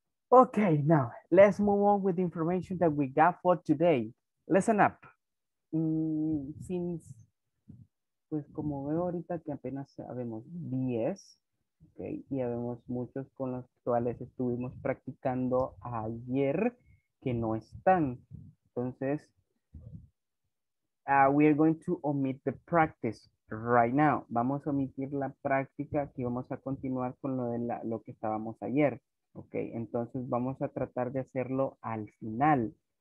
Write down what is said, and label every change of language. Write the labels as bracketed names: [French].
[English] Okay, now let's move on with the information that we got for today. Listen up. [Spanish] Since, pues como veo ahorita que apenas habemos 10, okay, y habemos muchos con los cuales estuvimos practicando ayer que no están. [English] Entonces, we are going to omit the practice right now. [Spanish] Vamos a omitir la práctica y vamos a continuar con lo que estábamos ayer. Okay, entonces, vamos a tratar de hacerlo al final.